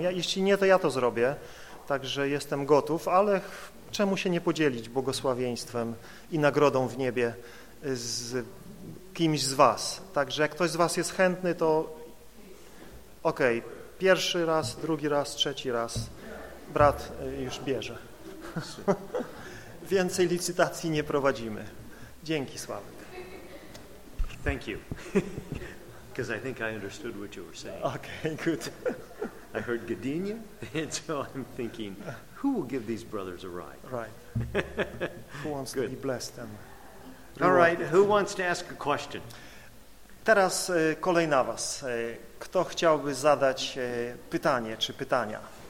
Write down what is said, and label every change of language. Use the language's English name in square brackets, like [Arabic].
[Polish] Ja, jeśli nie, to ja to zrobię. Także jestem gotów, ale czemu się nie podzielić błogosławieństwem i nagrodą w niebie z kimś z was? Także jak ktoś z was jest chętny, to okej, okay. Pierwszy raz, drugi raz, trzeci raz, brat już bierze. Więcej licytacji nie prowadzimy. Dzięki, Sławek. [English] Thank you, because I think I understood what you were saying. Okay, good. I heard Gdynia, and so I'm thinking, who will give these brothers a ride? Right. Who wants to be blessed? And all right, who wants to ask a question? [Polish] Teraz kolej na was. Kto chciałby zadać pytanie czy pytania?